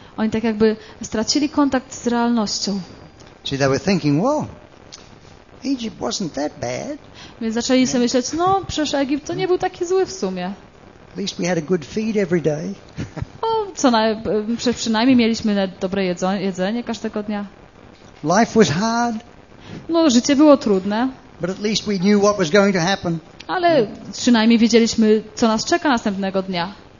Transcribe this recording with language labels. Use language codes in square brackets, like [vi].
[pl] Oni tak jakby stracili kontakt z realnością. [en] See, they were thinking, well, Egypt wasn't that bad. [pl] Więc zaczęli sobie myśleć, no przecież Egipt to nie był taki zły w sumie. [en] At least we had a good feed every day. [pl] No, przynajmniej mieliśmy dobre jedzenie każdego dnia. [en] Life was hard. [pl] No, życie było trudne. [en] But at least we knew what was going to happen. [pl] Ale przynajmniej wiedzieliśmy, co nas czeka następnego dnia.